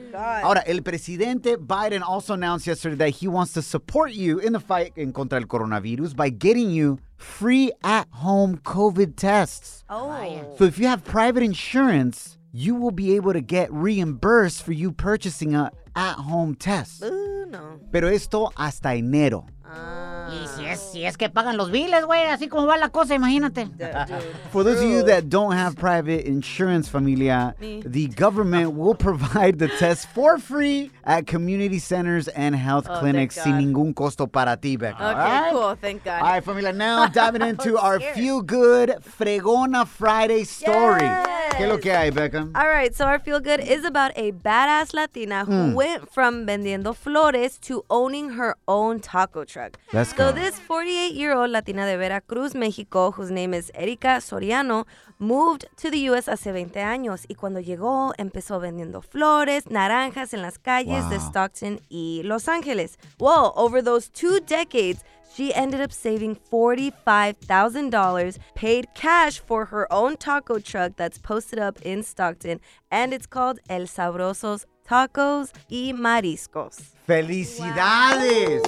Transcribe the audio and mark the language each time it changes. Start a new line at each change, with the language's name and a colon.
Spanish: Ahora, el presidente
English: Biden also announced yesterday that he wants to support you in the fight in
Spanish: contra el coronavirus
English: by getting you free at-home COVID tests. Oh. So if you have private insurance, you will be able to get reimbursed for you purchasing a at-home test.
Spanish: Pero esto hasta enero. Y si es que pagan los biles, güey, así como va la cosa, imagínate.
English: For those of you that don't have private insurance, familia, the government will provide the test for free at community centers and health clinics
Spanish: sin ningún costo para ti,
English: Becca. Okay, right? Cool, thank God. All right, familia, now diving into our feel-good Fregona Friday story. Yes.
Spanish: ¿Qué lo que hay, Becca?
English: All right, so our feel-good is about a badass Latina who went from
Spanish: vendiendo flores
English: to owning her own taco truck. Let's go. So this 48-year-old Latina de Veracruz, Mexico, whose name is Erika Soriano, moved to the U.S.
Spanish: hace 20 años. Y cuando llegó, empezó vendiendo flores, naranjas en las calles de Stockton y Los Ángeles.
English: Well, over those two decades, she ended up saving $45,000, paid cash for her own taco truck that's posted up in Stockton, and it's called El Sabroso's Tacos y Mariscos.
Spanish: ¡Felicidades!